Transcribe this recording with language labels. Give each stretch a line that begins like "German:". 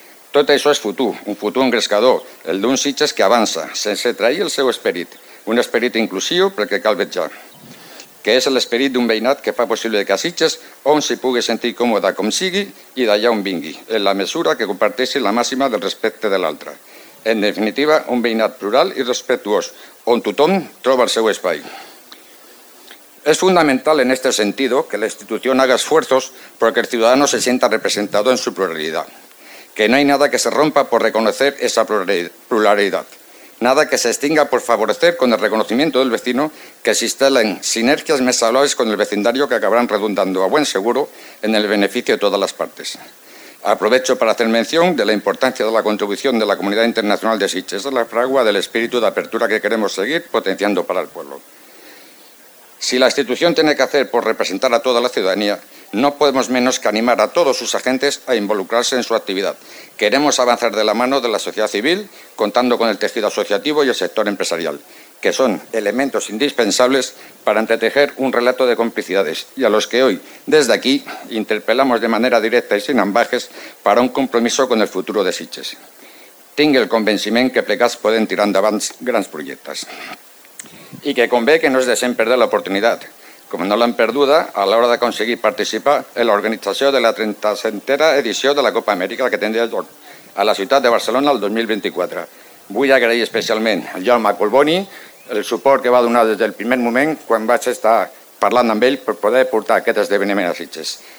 Catalan: Tot això és futur, un futur engrescador, el d'un Sitges que avança, sense trair el seu esperit, un esperit inclusiu perquè cal vetjar, que és l'esperit d'un veïnat que fa possible que a Sitges on s'hi pugui sentir còmode com sigui i d'allà on vingui, en la mesura que comparteixi la màxima del respecte de l'altre. En definitiva, un veïnat plural i respectuós, on tothom troba el seu espai. És fonamental en aquest sentit que la institució haga esforços perquè el ciutadano
Spanish: se sienta
Catalan: representat en su pluralitat.
Spanish: Que no hay nada que se rompa por reconocer esa pluralidad. Nada que se extinga por favorecer con el reconocimiento del vecino que se instalen sinergias más saludables con el vecindario que acabarán redundando a buen seguro en el beneficio de todas las partes. Aprovecho para hacer mención de la importancia de la contribución de la comunidad internacional de Sitges a la fragua del espíritu de apertura que queremos seguir potenciando para el pueblo. Si la institución tiene que hacer por representar a toda la ciudadanía, no podemos menos que animar a todos sus agentes a involucrarse en su actividad. Queremos avanzar de la mano de la sociedad civil, contando con el tejido asociativo y el sector empresarial, que son elementos indispensables para entretejer un relato de complicidades y a los que hoy, desde aquí, interpelamos de manera directa y sin ambages para un compromiso con el futuro de Sitges. Tengo el convencimiento que
Catalan: plegats
Spanish: pueden tirar
Catalan: endavant
Spanish: grandes proyectos.
Catalan: I que convé que no es deixem perdre l'oportunitat, com no l'han perduda a l'hora d'aconseguir participar en l'organització de la 37a edició de la Copa Amèrica que tindrà lloc a la ciutat de Barcelona el 2024, Vull agrair especialment al Jaume Collboni el suport que va donar des del primer moment quan vaig estar parlant amb ell per poder portar aquest esdeveniment a Sitges.